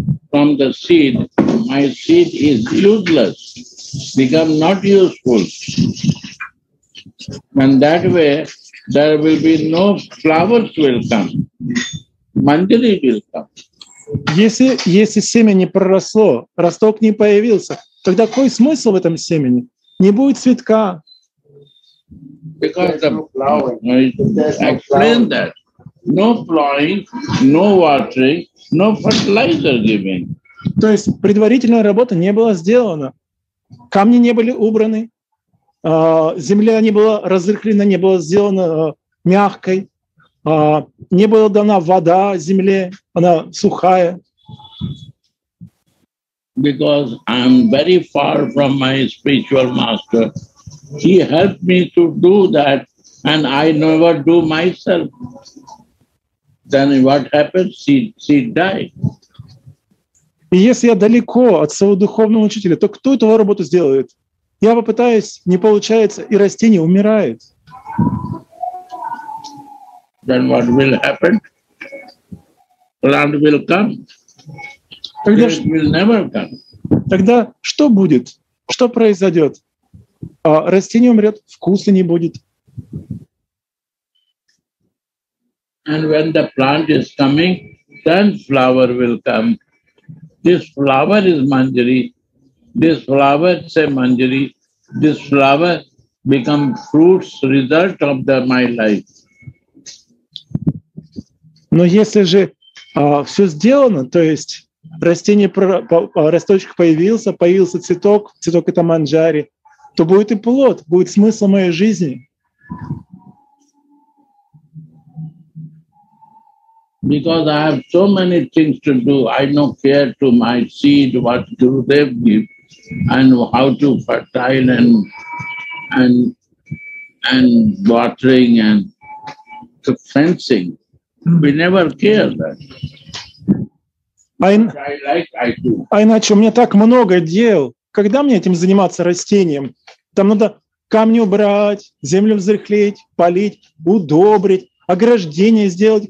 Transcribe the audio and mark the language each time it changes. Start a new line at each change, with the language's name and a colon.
English: from the seed, my seed is useless, become not useful. And that way, there will be no flowers will come. Манджари will come.
Russian: Если семя не проросло, росток не появился, тогда какой смысл в этом семени? Не будет цветка.
English: Because the flower, explain that. No plowing, no watering, no fertilizer giving.
Russian: То есть предварительная работа не была сделана. Камни не были убраны. Земля не была разрыхлена, не была сделана мягкой, не была дана вода земле, она сухая.
English: Because I'm very far from my spiritual master, he helped me to do that, and I never do myself. Then what happens? She died.
Russian: И если я далеко от своего духовного учителя, то кто эту работу сделает? Я попытаюсь, не получается, и растение умирает.
English: Then what will happen? Plant will come.
Russian: Тогда,
English: it will never come.
Russian: Тогда что будет? Что произойдет? Растение умрет, вкуса не будет.
English: And when the plant is coming, then flower will come. This flower is manjari. This flower is a manjari. This flower become fruits result of the my life.
Russian: Но если же все сделано, то есть растение росточек появился цветок это манджари, то будет и плод, будет смысл моей жизни.
English: Because I have so many things to do, I don't care to my seed what do they give. And how to fertile and watering and the fencing. We never care that.
Russian: А иначе у меня так много дел. Когда мне этим заниматься растением? Там надо камни убрать, землю взрыхлить, полить, удобрить, ограждение сделать.